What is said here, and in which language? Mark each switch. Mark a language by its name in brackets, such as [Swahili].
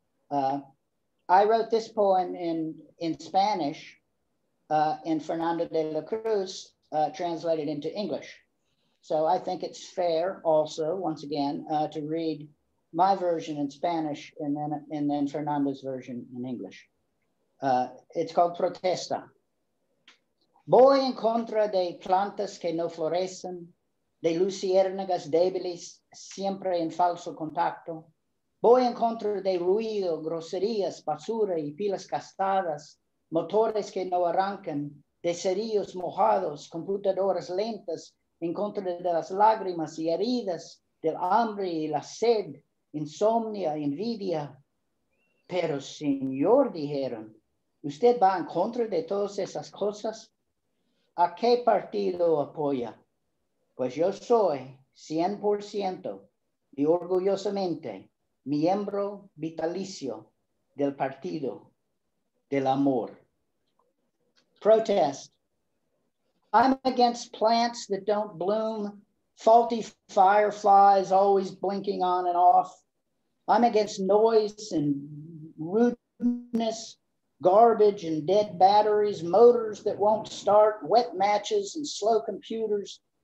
[English] I wrote this poem in Spanish, and Fernando de la Cruz translated into English. So I think it's fair also, once again, to read my version in Spanish and then Fernando's version in English. It's called Protesta. [Spanish] Voy en contra de plantas que no florecen, de luciérnagas débiles, siempre en falso contacto. Voy en contra de ruido, groserías, basura y pilas gastadas, motores que no arrancan, de cerillos mojados, computadoras lentas, en contra de las lágrimas y heridas, del hambre y la sed, insomnia, envidia. Pero señor, dijeron, ¿usted va en contra de todas esas cosas? ¿A qué partido apoya? Pues yo soy 100% y orgullosamente miembro vitalicio del Partido del Amor. [English] Protest. I'm against plants that don't bloom, faulty fireflies always blinking on and off. I'm against noise and rudeness, garbage and dead batteries, motors that won't start, wet matches and slow computers.